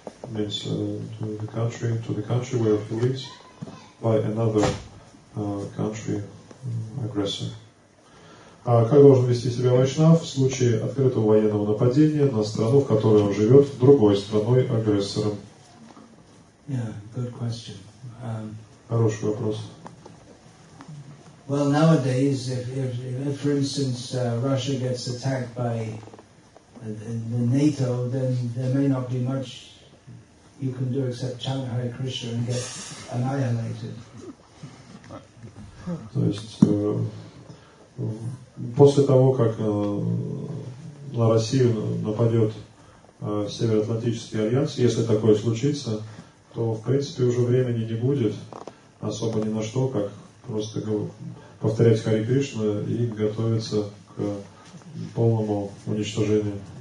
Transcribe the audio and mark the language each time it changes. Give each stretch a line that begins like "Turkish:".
English: Means to the country where he lives by another country aggressor.
Russian: Как должен вести себя Вайшнав в случае открытого военного нападения на страну, в которой он живет, другой страной агрессором?
English: Yeah, good question.
Russian: Хороший вопрос.
English: Well, nowadays, if for instance, Russia gets attacked by the NATO, then there may not be much you can do except chant Hare Krishna and get annihilated.
Russian: То есть, после того, как на Россию нападет Североатлантический альянс, если такое случится, то, в принципе, уже времени не будет особо ни на что, как просто повторять Хари Кришну и готовиться к полному уничтожению.